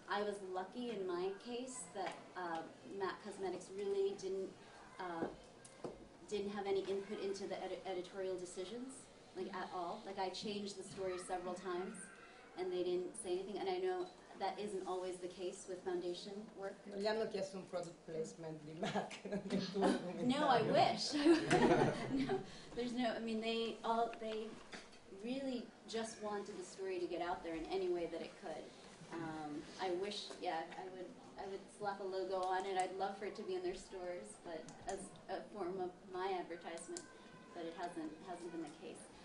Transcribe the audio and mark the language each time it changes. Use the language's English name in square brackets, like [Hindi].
[English] I was lucky in my case that MAC Cosmetics really didn't have any input into the editorial decisions, like at all. Like I changed the story several times and they didn't say anything, and I know that isn't always the case with foundation work. [Italian] Gli hanno chiesto un product placement di MAC. [English] No, I wish. No, there's no, I mean, they really just wanted the story to get out there in any way that it could. I wish, yeah, I would slap a logo on it. I'd love for it to be in their stores, but as a form of my advertisement, but it hasn't been the case.